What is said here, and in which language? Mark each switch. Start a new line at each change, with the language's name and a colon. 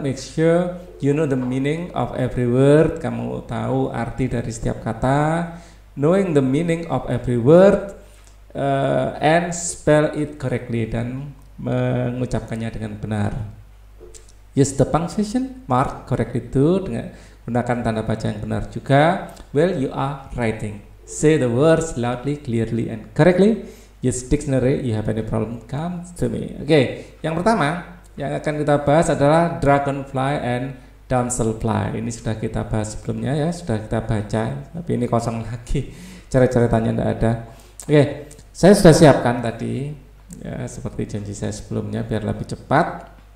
English: Make sure you know the meaning of every word.
Indonesian: Kamu tahu arti dari setiap kata.
English: Knowing the meaning of every word and spell it correctly,
Indonesian: dan mengucapkannya dengan benar.
English: Use the punctuation mark correctly too,
Indonesian: dengan gunakan tanda baca yang benar juga.
English: While you are writing, say the words loudly, clearly, and correctly. Use dictionary. You have any problem, come to me.
Indonesian: Oke, yang pertama yang akan kita bahas adalah dragonfly and damselfly. Ini sudah kita bahas sebelumnya ya, sudah kita baca, tapi ini kosong lagi, cara-caranya tidak ada. Oke, saya sudah siapkan tadi ya, seperti janji saya sebelumnya, biar lebih cepat.